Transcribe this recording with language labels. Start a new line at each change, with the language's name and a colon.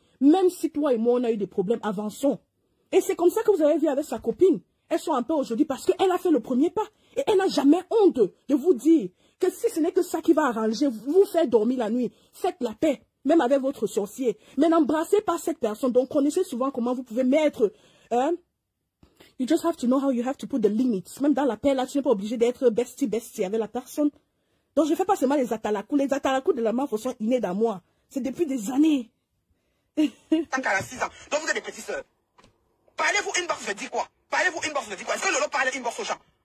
French: Même si toi et moi, on a eu des problèmes, avançons. Et c'est comme ça que vous avez vu avec sa copine. Elles sont en paix aujourd'hui parce qu'elle a fait le premier pas. Et elle n'a jamais honte de vous dire que si ce n'est que ça qui va arranger, vous faire dormir la nuit, faites la paix, même avec votre sorcier. Mais n'embrassez pas cette personne. Donc, connaissez souvent comment vous pouvez mettre...
English: You just have to know how you have to put the limits.
French: Même dans la paix, là, tu n'es pas obligé d'être bestie avec la personne. Donc, je ne fais pas seulement les atalakous. Les atalakous de la mort sont innés dans moi. C'est depuis des années. Tant qu'à 6 ans, donc vous êtes des petites soeurs. Parlez-vous inbox, je dis quoi? Parlez-vous inbox, je dis quoi? Est-ce que Lolo parle inbox aux gens?